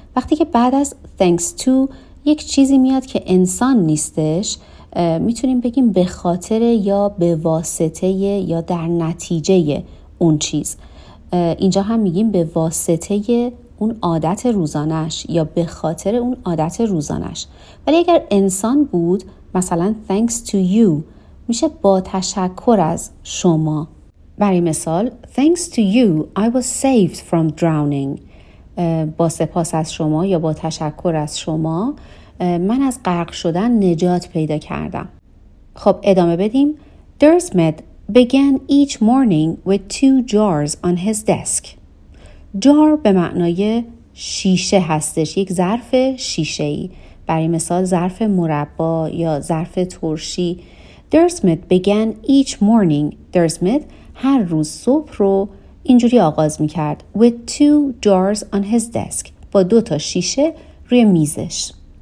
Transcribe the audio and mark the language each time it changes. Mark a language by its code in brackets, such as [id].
[fa] وقتی که بعد از [en] thanks to [fa] یک چیزی میاد که انسان نیستش میتونیم بگیم به خاطر یا به واسطه یا در نتیجه اون چیز. اینجا هم میگیم به واسطه اون عادت روزانش یا به خاطر اون عادت روزانش. ولی اگر انسان بود مثلا [en] thanks to you [fa] میشه با تشکر از شما. برای مثال [en] thanks to you I was saved from drowning. [fa] با سپاس از شما یا با تشکر از شما من از غرق شدن نجات پیدا کردم. خب ادامه بدیم. [en] Dersmet began each morning with two jars on his desk. [fa] جار به معنای شیشه هستش، یک ظرف شیشه‌ای. برای مثال ظرف مربا یا ظرف ترشی. [en] Dersmet began each morning. [fa] Dersmet هر روز صبح رو اینجوری آغاز می‌کرد. [en] With two jars on his desk. [fa] با دو تا شیشه روی میزش.